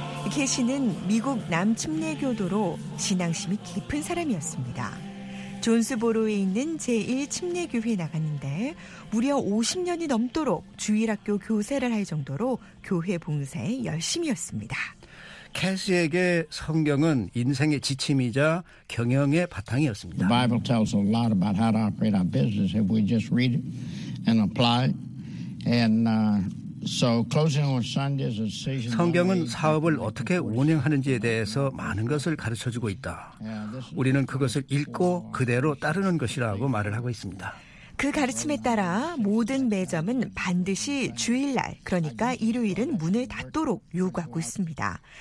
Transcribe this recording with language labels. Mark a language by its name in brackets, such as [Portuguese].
[Korean] 캐시는 미국 남침례교도로 신앙심이 깊은 사람이었습니다. 존스보로에 있는 제1침례교회에 나갔는데 무려 50년이 넘도록 주일학교 교세를 할 정도로 교회 봉사에 열심이었습니다. 캐시에게 성경은 인생의 지침이자 경영의 바탕이었습니다. [English] The Bible tells a lot about how to operate our business if we just read it and apply So closing on Sundays is [Korean] 성경은 사업을 어떻게 운영하는지에 대해서 많은 것을 가르쳐주고 있다. 우리는 그것을 읽고 그대로 따르는 것이라고 말을 하고 있습니다. 그 가르침에 따라 모든 매점은 반드시 주일날, 그러니까 일요일은 문을 닫도록 요구하고 있습니다.